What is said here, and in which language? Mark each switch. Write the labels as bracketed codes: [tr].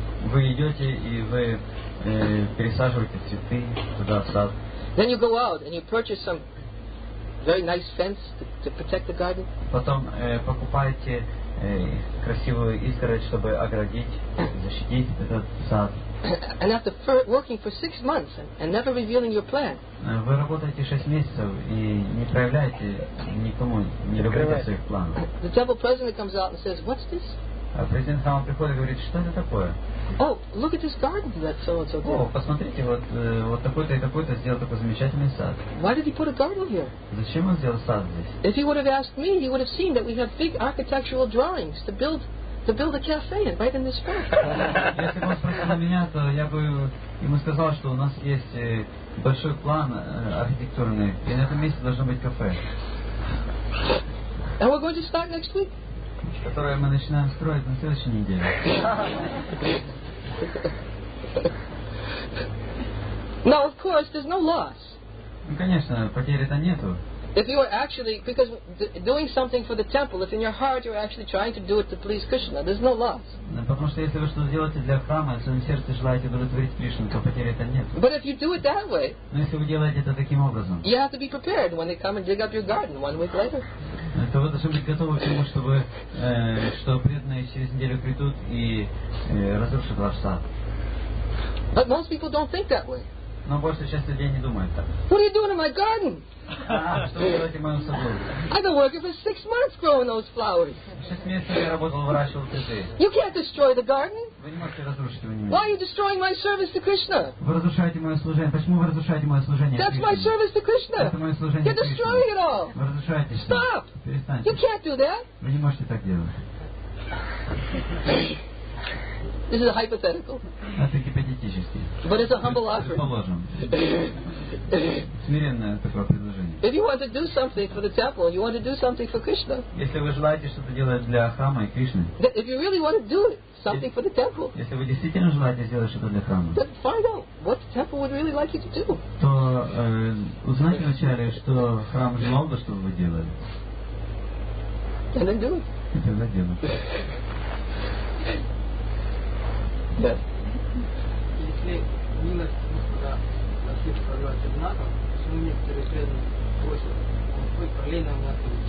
[ru] Вы идете и вы пересаживаете цветы туда, в сад. [en] Then you go out and you purchase some very nice fence to protect the garden. [ru] Потом покупаете красивую изгородь, чтобы оградить, защитить этот сад. [en] And after working for 6 months and never revealing your plan. [ru] Вы работаете 6 месяцев и не проявляете никому, не говорите о своих планах. [en] The temple president comes out and says, "What's this?" [ru] А президент сам приходит и говорит, что это такое? [en] Oh, look at this garden that so-and-so did. [ru] О, посмотрите, вот такой-то и такой-то сделал такой замечательный сад. [en] Why did he put a garden here? [ru] Зачем он сделал сад здесь? [en] If he would have asked me, he would have seen that we have big architectural drawings to build to build a cafe and write in this book. If he asked me, I would have said to him that we have a big cafe. And we're going to start next week. [ru] Которое мы начинаем строить на следующей неделе. [en] No, of course, there's no loss. [ru] Ну, конечно, потери-то нету. [en] If you are actually, because doing something for the temple, if in your heart you're actually trying to do it to please Krishna, there's no loss. [ru] Потому что если вы что-то делаете для храма, если вы в сердце желаете удовлетворить Кришну, то потери-то нет. [en] But if you do it that way, [ru] но если вы делаете это таким образом, [en] you have to be prepared when they come and dig up your garden 1 week later. [ru] То вы должны быть готовы к тому, чтобы что преданные через неделю придут и разрушат ваш сад. [en] But most people don't think that way. [ru] Но большая часть людей не думает так. [en] What are you doing in my garden? I've been working for 6 months growing those flowers. You can't destroy the garden. Why are you destroying my service to Krishna? [ru] Вы разрушаете мое служение. Почему вы разрушаете мое служение? [en] That's my service to Krishna. [ru] Это мое служение. [en] You're destroying it all. [ru] Вы разрушаете. [en] Stop. [ru] Перестаньте. [en] You can't do that. [ru] Вы не можете так делать. [en] This is a hypothetical. [ru] Это гипотетически. [en] But it's a humble offer. [ru] Предположим. Смиренное такое предложение. [en] If you want to do something for the temple, you want to do something for Krishna. [ru] Если вы желаете что-то делать для храма и Кришны. [en] If you really want to do something for the temple. [ru] Если вы действительно желаете сделать что-то для храма. [en] Then find out what the temple would really like you to do. [ru] То узнайте вначале, что храм желал бы, чтобы вы делали. [en] And then do it. [ru] И тогда делайте. Если милость Господа на всех прозвать знаком, почему некоторые преданные просят, какой параллельно у нас будет